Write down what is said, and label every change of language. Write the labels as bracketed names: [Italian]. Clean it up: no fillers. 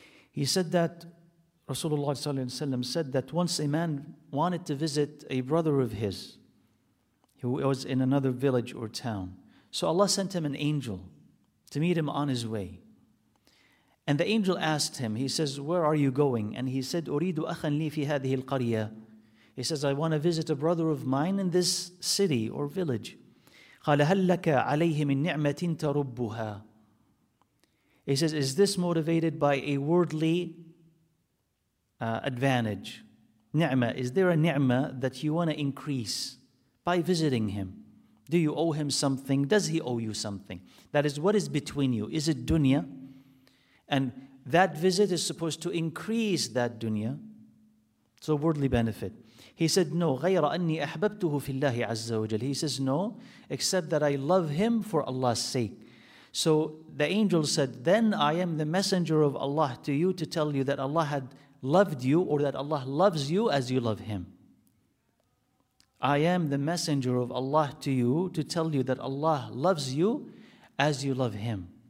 [English] He said that, Rasulullah sallallahu alayhi wa sallam said that once a man wanted to visit a brother of his, who was in another village or town. So Allah sent him an angel to meet him on his way. And the angel asked him, he says, where are you going? And he said, [Arabic] أريد أخاً لي في هذه القرية. [English] He says, I want to visit a brother of mine in this city or village. [Arabic] قال هل لك عليه من نعمة تربها. [English] He says, is this motivated by a worldly advantage? نعمة, is there a نعمة that you want to increase by visiting him? Do you owe him something? Does he owe you something? That is, what is between you? Is it dunya? And that visit is supposed to increase that dunya, so worldly benefit. He said, no, [Arabic] غير أني أحببته في الله عز وجل. [English] He says, no, except that I love him for Allah's sake. So the angel said, then I am the messenger of Allah to you to tell you that Allah had loved you, or that Allah loves you as you love him. I am the messenger of Allah to you to tell you that Allah loves you as you love him.